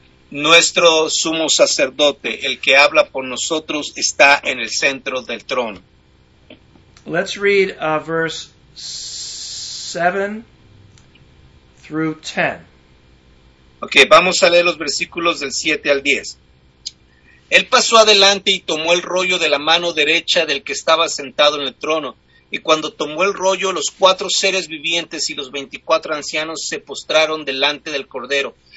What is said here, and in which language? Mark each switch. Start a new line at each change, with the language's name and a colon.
Spanish: Nuestro sumo sacerdote, el que habla por nosotros, está en el centro del trono.
English: Let's read verse 7 through 10.
Spanish: Ok, vamos a leer los versículos del 7 al 10. Él pasó adelante y tomó el rollo de la mano derecha del que estaba sentado en el trono. Y cuando tomó el rollo, los cuatro seres vivientes y los 24 ancianos se postraron delante del Cordero.